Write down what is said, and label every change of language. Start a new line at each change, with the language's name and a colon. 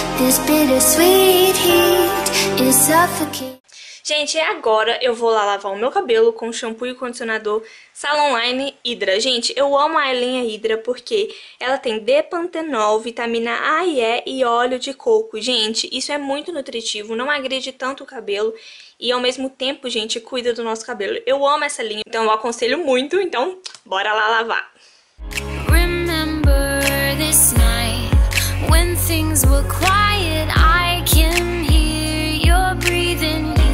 English: This bittersweet heat is suffocating.
Portuguese: Gente, é agora. Eu vou lá lavar o meu cabelo com shampoo e condicionador Salon Line Hydra. Gente, eu amo a linha Hydra porque ela tem D-pantenol, vitamina A e E e óleo de coco. Gente, isso é muito nutritivo, não agride tanto o cabelo e ao mesmo tempo, gente, cuida do nosso cabelo. Eu amo essa linha, então eu aconselho muito. Então, bora lá lavar.
English: Remember this night when things were quiet. I can hear your breathing.